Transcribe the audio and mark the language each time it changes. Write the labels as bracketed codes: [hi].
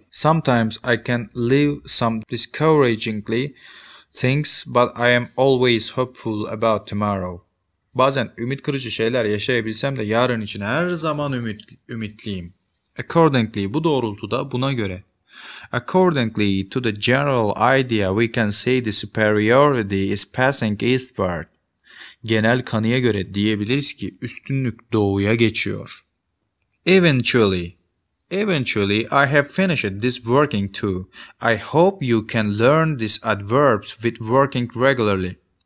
[en] Sometimes I can live some discouragingly things, but I am always hopeful about tomorrow. [tr] Bazen ümit kırıcı şeyler yaşayabilsem de yarın için her zaman ümitliyim. [en] Accordingly, [tr] bu doğrultuda, buna göre. [en] Accordingly to the general idea, we can say the superiority is passing eastward. [tr] Genel kanıya göre diyebiliriz ki üstünlük doğuya geçiyor. [en] Eventually, I have finished this working too. I hope you can learn these adverbs with working regularly.